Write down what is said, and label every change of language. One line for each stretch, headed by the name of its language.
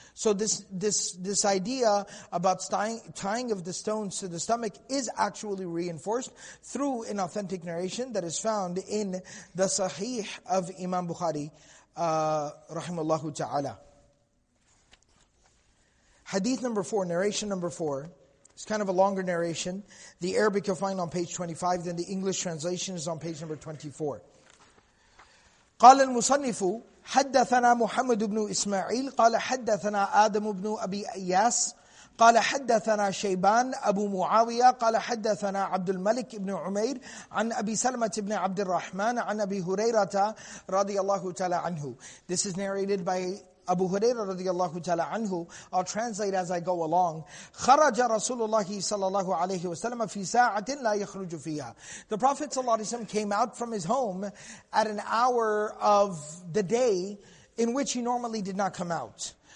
English: So this idea about tying of the stones to the stomach is actually reinforced through an authentic narration that is found in the Sahih of Imam Bukhari, rahimahullahu ta'ala. Hadith number 4, narration number 4. It's kind of a longer narration. The Arabic you'll find on page 25, then the English translation is on page number 24.
Arabic: قال المصنف حدثنا محمد بن إسماعيل قال حدثنا آدم بن أبي إياس قال حدثنا شيبان أبو معاوية قال حدثنا عبد الملك بن عمير عن أبي سلمة بن عبد الرحمن عن أبي هريرة رضي الله تعالى عنه.
English: This is narrated by Abu Hurairah radiallahu ta'ala anhu. I'll translate as I go along.
Arabic: خَرَجَ رَسُولُ اللَّهِ صَلَى اللَّهُ عَلَيْهِ وَسَلَمَ فِي سَاعَةٍ لَا يَخْرُجُ فِيهَا.
English: The Prophet sallallahu alayhi wa sallam came out from his home at an hour of the day in which he normally did not come out.